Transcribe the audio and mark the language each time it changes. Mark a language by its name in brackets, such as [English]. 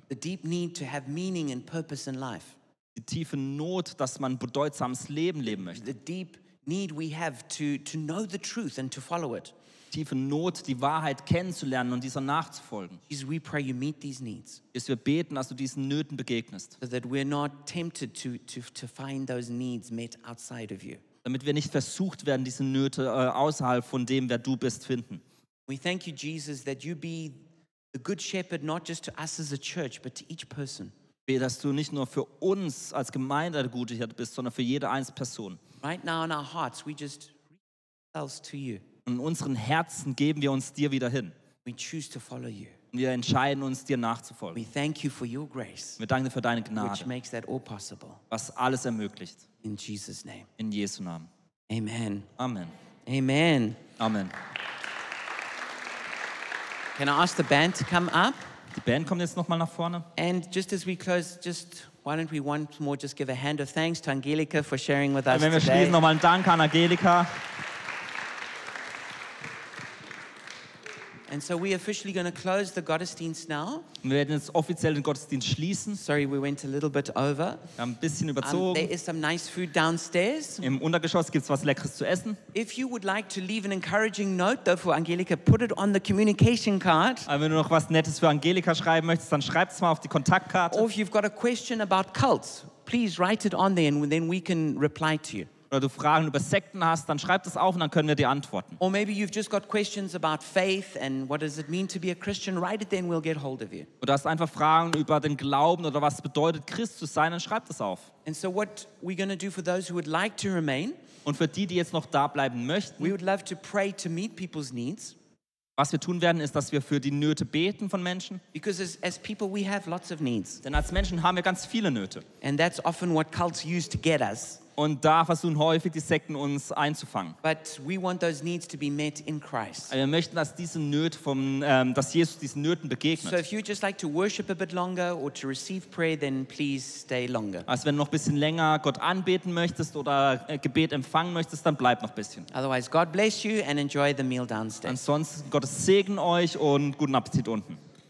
[English] The deep need to have meaning and purpose in life. [German] Die tiefe Not, dass man bedeutsames Leben leben möchte. [English] The deep need we have to know the truth and to follow it. [German] Tiefe Not, die Wahrheit kennenzulernen und dieser nachzufolgen. [English] Jesus, we pray you meet these needs. [German] Jesus, wir beten, dass du diesen Nöten begegnest. [English] So that we're not tempted to find those needs met outside of you. [German] Damit wir nicht versucht werden, diese Nöte außerhalb von dem, wer du bist, finden. [English] We thank you, Jesus, that you be the good shepherd not just to us as a church, but to each person. [German] Bete, dass du nicht nur für uns als Gemeinde der gute Hirte bist, sondern für jede einzelne Person. [English] Right now in our hearts, we just reach ourselves to you. [German] In unseren Herzen geben wir uns dir wieder hin. [English] We choose to follow you. [German] Wir entscheiden uns, dir nachzufolgen. [English] We thank you for your grace, [German] wir danken dir für deine Gnade, [English] which makes that all possible. [German] Was alles ermöglicht. [English] In Jesus name. [German] In Jesu Namen. [English] Amen. [German] Amen. [English] Amen. [German] Amen. [English] Can I ask the band to come up? [German] Die Band kommt jetzt nochmal nach vorne. [English] And just as we close, just why don't we once more just give a hand of thanks to Angelika for sharing with us today. [German] Wir schließen nochmal einen Dank an Angelika. [English] And so we officially going to close the Gottesdienst now. [German] Wir werden jetzt offiziell den Gottesdienst schließen. [English] Sorry, we went a little bit over. [German] Wir haben ein bisschen überzogen. [English] There is some nice food downstairs. [German] Im Untergeschoss gibt's was Leckeres zu essen. [English] If you would like to leave an encouraging note though for Angelika, put it on the communication card. [German] Aber wenn du noch was Nettes für Angelika schreiben möchtest, dann schreib es mal auf die Kontaktkarte. [English] Or if you've got a question about cults, please write it on there and then we can reply to you. [German] Oder du Fragen über Sekten hast, dann schreib das auf und dann können wir dir antworten. [English] Or maybe you've just got questions about faith and what does it mean to be a Christian? Write it then, we'll get hold of you. [German] Oder hast einfach Fragen über den Glauben oder was bedeutet Christ zu sein, dann schreib das auf. [English] And so what we're going to do for those who would like to remain, [German] und für die jetzt noch da bleiben möchten, [English] we would love to pray to meet people's needs. [German] Was wir tun werden, ist, dass wir für die Nöte beten von Menschen. [English] Because as people we have lots of needs. [German] Denn als Menschen haben wir ganz viele Nöte. [English] And that's often what cults use to get us. [German] Und da versuchen häufig die Sekten uns einzufangen. [English] But we want those needs to be met in Christ. [German] Wir möchten, dass diese Nöte vom dass Jesus diesen Nöten begegnet. [English] So if you just like to worship a bit longer or to receive prayer, then please stay longer. [German] Also wenn du noch ein bisschen länger Gott anbeten möchtest oder Gebet empfangen möchtest, dann bleib noch ein bisschen. [English] Otherwise God bless you and enjoy the meal downstairs. [German] Ansonsten Gottes Segen euch und guten Appetit unten.